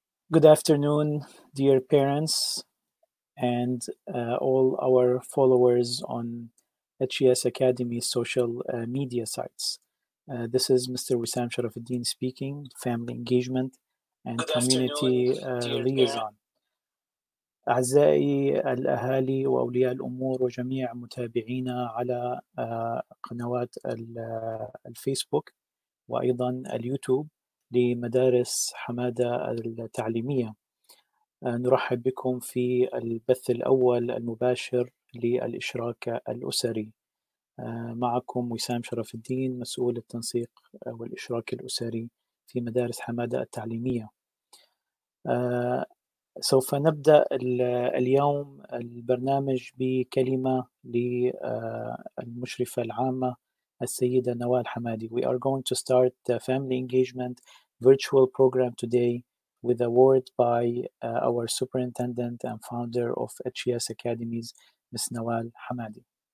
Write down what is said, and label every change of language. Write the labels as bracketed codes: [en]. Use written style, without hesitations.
[en] Good afternoon, dear parents and all our followers on HES Academy social media sites. This is Mr. Wissam Sharafuddin speaking, family engagement and Good community afternoon, liaison. [ar] أعزائي الأهالي وأولياء الأمور وجميع متابعينا على قنوات الفيسبوك وأيضا اليوتيوب لمدارس حمادة التعليمية. نرحب بكم في البث الأول المباشر للإشراك الأسري. معكم وسام شرف الدين، مسؤول التنسيق والإشراك الأسري في مدارس حمادة التعليمية. سوف نبدأ اليوم البرنامج بكلمة للمشرفة العامة السيدة نوال حمادي. [en] We are going to start the family engagement virtual program today with a word by our superintendent and founder of HES Academies, Ms. Nawal Hamadi.